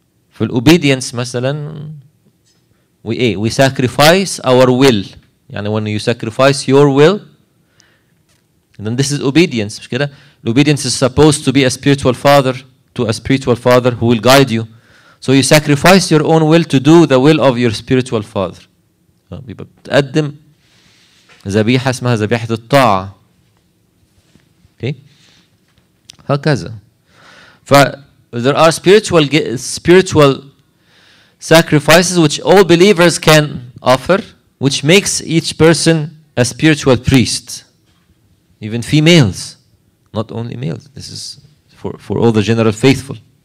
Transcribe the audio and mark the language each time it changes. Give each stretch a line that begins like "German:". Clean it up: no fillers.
English: For obedience, مثلا, we sacrifice our will. يعني when you sacrifice your will, then this is obedience.
Arabic: مش كده؟
English: Obedience is supposed to be a spiritual father, to a spiritual father who will guide you. So you sacrifice your own will to do the will of your spiritual father.
Arabic: بتقدم ذبيحة اسمها ذبيحة الطاعة. Okay. هكذا.
English: There are spiritual sacrifices which all believers can offer, which makes each person a spiritual priest. Even females, not only males. This is for all the general faithful.